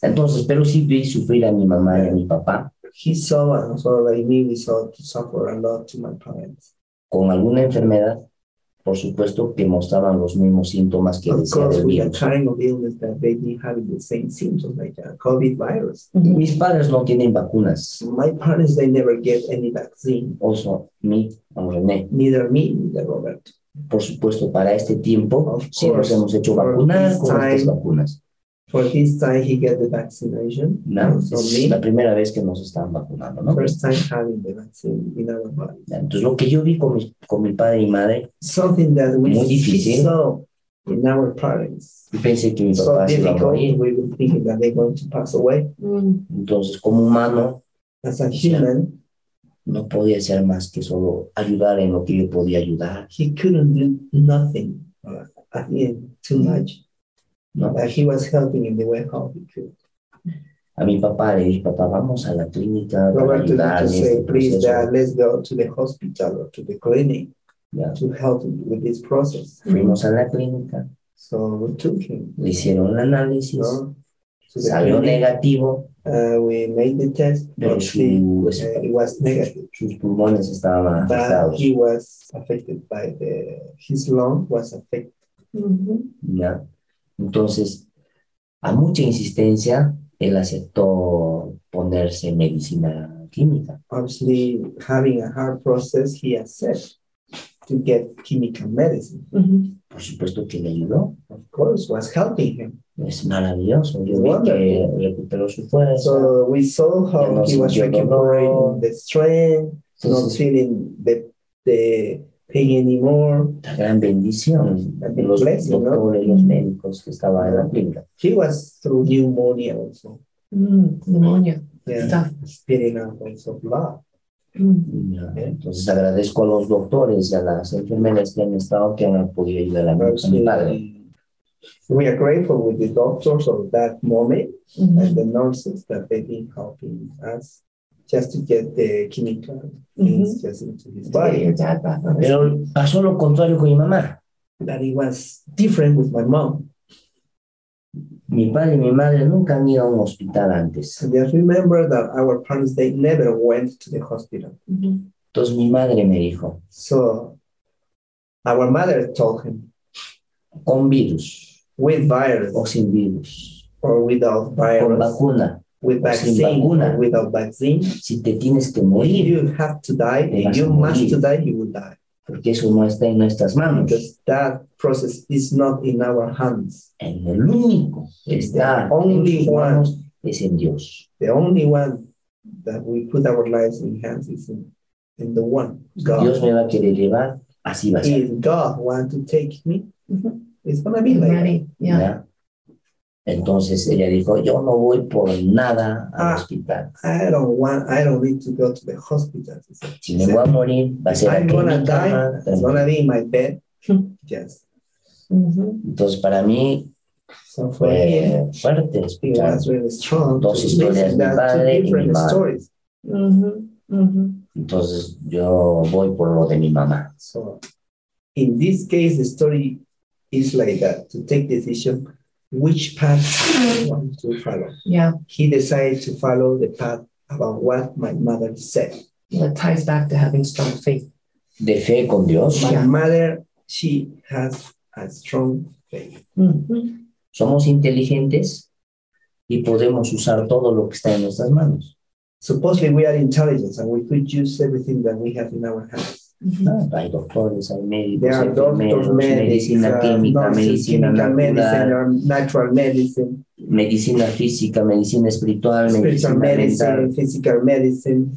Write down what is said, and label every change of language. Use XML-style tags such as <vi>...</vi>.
<es>Entonces, pero sí vi sufrir a mi mamá y a mi papá.</es> <en>He saw, and also like me, we saw to suffer a lot to my parents.</en> <es>Con alguna enfermedad, por supuesto, que mostraban los mismos síntomas que decía del virus.</es> <en>Of course, with a kind of illness that they didn't have the same symptoms like a COVID virus.</en> <es>Mm-hmm. Mis padres no tienen vacunas.</es> <en>My parents, they never get any vaccine. Also, me and René. Neither me, neither Robert.</en> <es>Por supuesto, para este tiempo, sí nos hemos hecho vacunas, con estas vacunas.</es> <en>For this time, he got the vaccination.</en> <es>No, es la primera vez que nos están vaccinando, ¿no?</es> <en>First time having the vaccine in our body.</en> <es>Entonces, lo que yo vi con mi padre y madre,</es> <en>something that we</en> <es>muy difícil.</es> <en>Saw in our parents.</en> <es>Y pensé que mi papá se iba a morir.</es> <en>We were thinking that they're going to pass away.</en> <es>Mm. Entonces, como humano,</es> <en>as a human,</en> <es>no podía hacer más que solo ayudar en lo que yo podía ayudar.</es> <en>He couldn't do nothing at the end, too much.</en> <es>No.</es> <en>But he was helping in the way how he could.</en> <es>A mi papá le dije, papá, vamos a la clínica Robert para ayudar.</es> <en>To</en> <es>say, este</es> <en>please, Dad, let's go to the hospital or to the clinic to help him with this process.</en> <es>Fuimos a la clínica.</es> <en>So we took him.</en> <es>Le hicieron el análisis. No. Salió negativo.</es> <en>We made the test, but it was negative.</en> <es>Sus pulmones estaban afectados.</es> <en>He was affected by the, his lung was affected. Mm-hmm. Yeah.</en> <es>Entonces, a mucha insistencia, él aceptó ponerse medicina química.</es> <en>Obviously, having a hard process, he accepted to get chemical medicine.</en> <es>Mm-hmm. Por supuesto que le ayudó.</es> <en>Of course, was helping him.</en> <es>Es maravilloso. Yo vi que recuperó su fuerza.</es> <en>So we saw how no he was recuperating the strength, not feeling the pain anymore.</en> <es>La gran bendición de los doctores, los médicos que estaban en la clínica.</es> <en>He was through pneumonia also. Pneumonia. Yeah. Spitting out points of blood.</en> <es>Entonces agradezco a los doctores y a las enfermeras que han estado que han podido ayudar a mi padre.</es> <en>We are grateful with the doctors of that moment and the nurses that they've been helping us just to get the chemical things just into his body.</en> <es>Pero pasó lo contrario con mi mamá.</es> <en>That it was different with my mom.</en> <es>Mi padre y mi madre nunca han ido a un hospital antes.</es> <en>And just remember that our parents, they never went to the hospital.</en> <es>Mm-hmm. Entonces mi madre me dijo.</es> <en>So our mother told him.</en> <es>Con virus.</es> <en>With virus.</en> <es>O sin virus.</es> <en>Or without virus.</en> <es>Con vacuna.</es> <en>With vaccine.</en> <es>Sin vacuna.</es> <en>Or without vaccine.</en> <es>Si te tienes que morir.</es> <en>If you have to die, if you must to die, you will die.</en> <es>Porque eso no está en nuestras manos.</es> <en>Because that process is not in our hands.</en> <es>En el único que está</es> <en>the only</en> <es>en sus manos</es> <en>one,</en> <es>es en Dios.</es> <en>The only one that we put our lives in hands is in the one, God.</en> <es>Dios me va a querer llevar, así va a ser.</es> <en>If God wants to take me, it's going to be like that. Yeah. Yeah.</en> <es>Entonces ella dijo, yo no voy por nada al hospital.</es> <en>I don't need to go to the hospital.</en> <es>Si me voy a morir, va a ser aquí en mi cama.</es> <en>It's going to be in my bed. Yes. Mm-hmm.</en> <es>Entonces para mí fue fuerte escuchar dos historias de mi padre y mi madre. Entonces yo voy por lo de mi mamá.</es> <en>So, in this case, the story is like that, to take decision. Which path do you want to follow? Yeah. He decided to follow the path about what my mother said. That ties back to having strong faith.</en> <es>De fe con Dios.</es> <en>My mother, she has a strong faith. Mm-hmm.</en> <es>Somos inteligentes y podemos usar todo lo que está en nuestras manos.</es> <en>Supposedly we are intelligent and we could use everything that we have in our hands.</en> <es>Mm-hmm. Hay doctores, hay médicos, hay enfermeros, medicina química, medicina</es> <en>natural medicine,</en> <es>medicina física, medicina espiritual,</es> <en>physical medicine.</en>